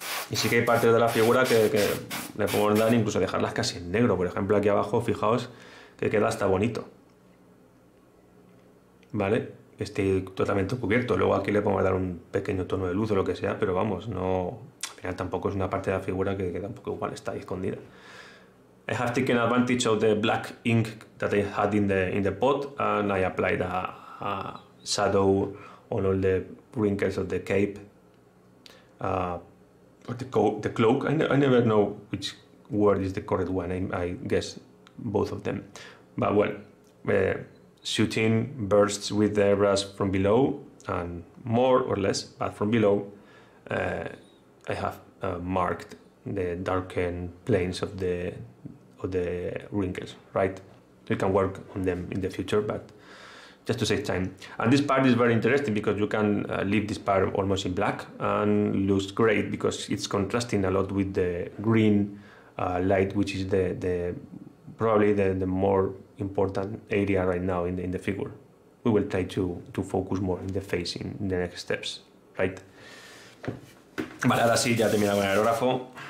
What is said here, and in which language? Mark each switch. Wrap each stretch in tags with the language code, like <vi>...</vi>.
<es>Y sí que hay partes de la figura que le puedo dar, incluso dejarlas casi en negro. Por ejemplo, aquí abajo, fijaos que queda hasta bonito. ¿Vale? Esté totalmente cubierto. Luego aquí le podemos dar un pequeño tono de luz o lo que sea, pero vamos, no. Al final tampoco es una parte de la figura que queda un poco igual, está ahí escondida.</es> <en>I have taken advantage of the black ink that I had in the pot and I applied a shadow on all the wrinkles of the cape. The cloak, I never know which word is the correct one, I guess both of them. But well, shooting bursts with the brush from below, and more or less, but from below, I have marked the darkened planes of the wrinkles, right? You can work on them in the future, but just to save time. And this part is very interesting because you can leave this part almost in black and looks great because it's contrasting a lot with the green light, which is the probably the more important area right now in the figure. We will try to focus more in the face in the next steps, right?</en> <es>Vale, ahora sí, ya termina con el aerógrafo.</es>